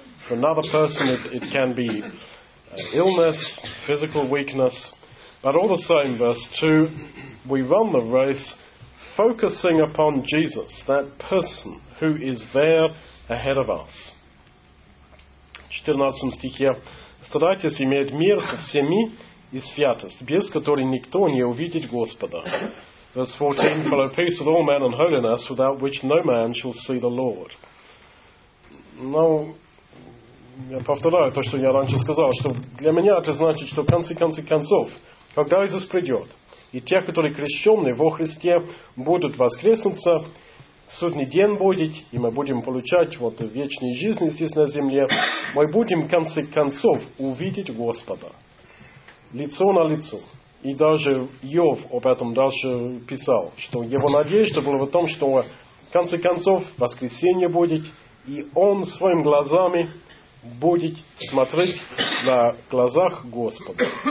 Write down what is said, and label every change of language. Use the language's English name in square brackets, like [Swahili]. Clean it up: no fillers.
[English] For another person it can be illness, physical weakness. But all the same, verse 2, we run the race focusing upon Jesus, that person who is there ahead of us. [Russian] 14 стихе. Старайтесь иметь мир со всеми и святость, без которой никто не увидит Господа. Verse 14, follow peace with all men and holiness, without which no man shall see the Lord. Но я повторяю то, что я раньше сказал, что для меня это значит, что в конце концов, когда Иисус придет, и те, которые крещены во Христе, будут воскреснуться, [Ukrainian] Судний день буде, і ми будемо отримувати вот вічну життя тут на землі. Ми будемо, в кінці концов, побачити Господа. [Russian] Лицо на лицо. [Ukrainian] І навіть Йов [Russian] об этом [Ukrainian] дальше писав, що його надіжда була в тому, що в кінці концов воскресіння буде, і він своїми глазами буде [Russian] смотреть на глазах [Ukrainian] Господа.